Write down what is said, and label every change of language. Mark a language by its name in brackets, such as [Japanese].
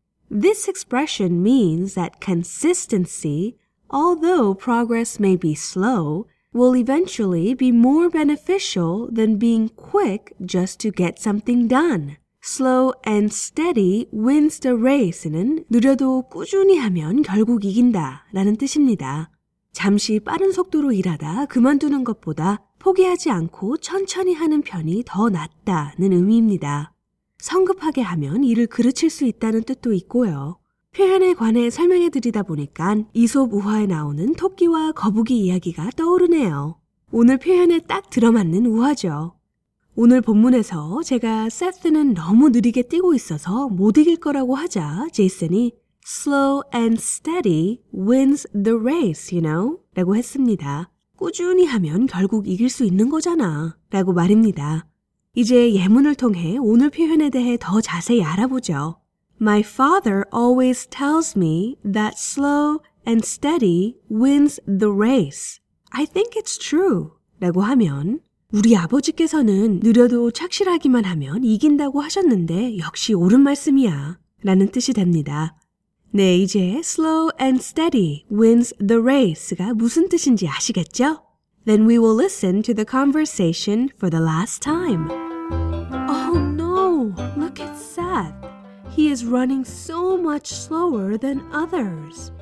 [English] This expression means that consistency, although progress may be slow, will eventually be more beneficial than being quick just to get something done. Slow and steady wins the race는 [Korean] 느려도 꾸준히 하면 결국 이긴다 라는 뜻입니다. 잠시 빠른 속도로 일하다 그만두는 것보다 포기하지 않고 천천히 하는 편이 더 낫다는 의미입니다. 성급하게 하면 일을 그르칠 수 있다는 뜻도 있고요. 표현에 관해 설명해 드리다 보니까 이솝 우화에 나오는 토끼와 거북이 이야기가 떠오르네요. 오늘 표현에 딱 들어맞는 우화죠. 오늘 본문에서 제가 세스는 너무 느리게 뛰고 있어서 못 이길 거라고 하자 제이슨이 [English] slow and steady wins the race, you know? [Korean] 라고 했습니다. 꾸준히 하면 결국 이길 수 있는 거잖아 라고 말입니다. 이제 예문을 통해 오늘 표현에 대해 더 자세히 알아보죠. [English] My father always tells me that slow and steady wins the race. I think it's true. [Korean] 라고 하면 우리 아버지께서는 느려도 착실하기만 하면 이긴다고 하셨는데 역시 옳은 말씀이야 라는 뜻이 됩니다. 네, 이제 [English] slow and steady wins the race [Korean] 가 무슨 뜻인지 아시겠죠? [English] Then we will listen to the conversation for the last time. Oh no, look at Seth. He is running so much slower than others.